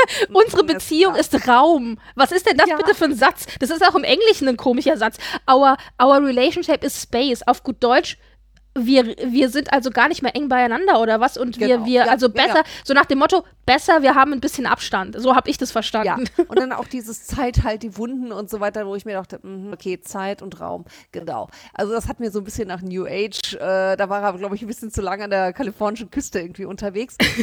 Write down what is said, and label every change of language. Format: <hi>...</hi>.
<de>Unsere Beziehung ist Raum. Was ist denn das bitte für ein Satz? Das ist auch im Englischen ein komischer Satz.</de> <en>Our relationship is space.</en> <de>Auf gut Deutsch, wir sind also gar nicht mehr eng beieinander oder was? Und so nach dem Motto, besser, wir haben ein bisschen Abstand. So habe ich das verstanden. Ja. Und dann auch dieses Zeit halt, die Wunden und so weiter, wo ich mir dachte, okay, Zeit und Raum, genau. Also das hat mir so ein bisschen nach New Age, da war er, glaube ich, ein bisschen zu lange an der kalifornischen Küste irgendwie unterwegs.</de>